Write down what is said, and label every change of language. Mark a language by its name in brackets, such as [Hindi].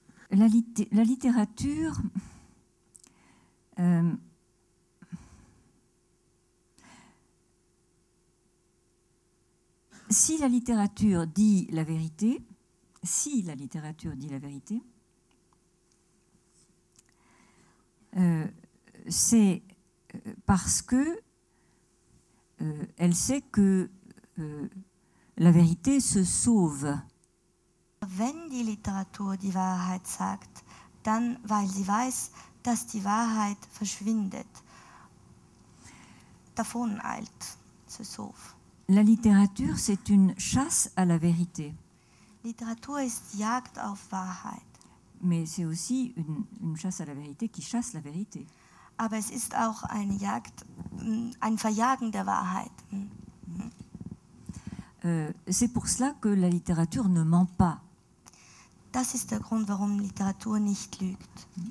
[French] La littérature, si la littérature dit la vérité, si la littérature dit la vérité, c'est parce que elle sait que la vérité se sauve. [German] Wenn die Literatur die Wahrheit sagt, dann weil sie weiß, dass die Wahrheit verschwindet, davon eilt, [French] se sauve. La littérature, c'est une chasse à la vérité. [German] Literatur ist Jagd auf Wahrheit. [French] Mais c'est aussi une chasse à la vérité qui chasse la vérité. [German] Aber es ist auch eine Jagd, ein Verjagen der Wahrheit. [French] C'est pour cela que la littérature ne ment pas. [German] Das ist der Grund, warum Literatur nicht lügt.